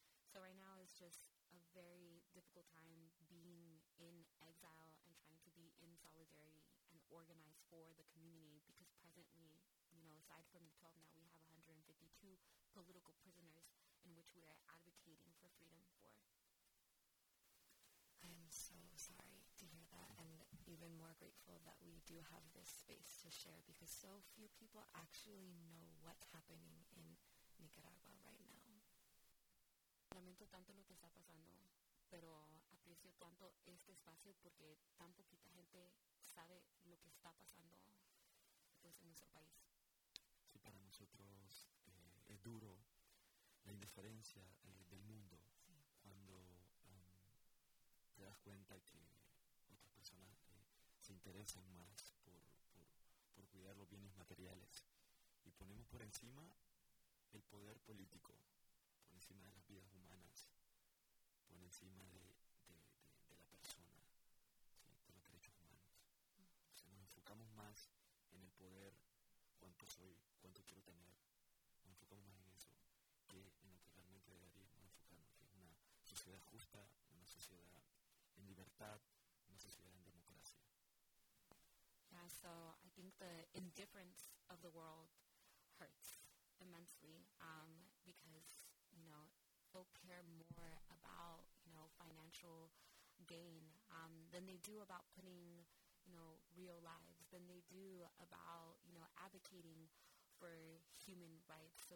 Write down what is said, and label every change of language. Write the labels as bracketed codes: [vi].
[en] So right now is just a very difficult time being in exile and trying to be in solidarity and organize for the community, because presently, you know, aside from the 12 now, we have 152 political prisoners in which we are advocating for freedom for. I am so sorry to hear that, and even more grateful that we do have this space to share, because so few people actually know what's happening in Nicaragua right now. [es] Lamento tanto lo que está pasando, pero aprecio tanto este espacio porque tan poquita gente sabe lo que está pasando pues, en nuestro país. Sí, para nosotros es duro la indiferencia del mundo, sí, cuando te das cuenta que otras personas se interesan más por cuidar los bienes materiales y ponemos por encima el poder político, por encima de las vidas humanas, por encima de la persona, ¿sí? De los derechos humanos. O sea, nos enfocamos más en el poder, cuánto soy, cuánto quiero tener, nos enfocamos más en eso que en lo que realmente deberíamos enfocarnos, que es una sociedad justa, una sociedad en libertad, una sociedad en democracia. [en] Yeah, so I think the indifference of the world hurts immensely, because, you know, folk care more about, you know, financial gain than they do about putting, you know, real lives, than they do about, you know, advocating for human rights.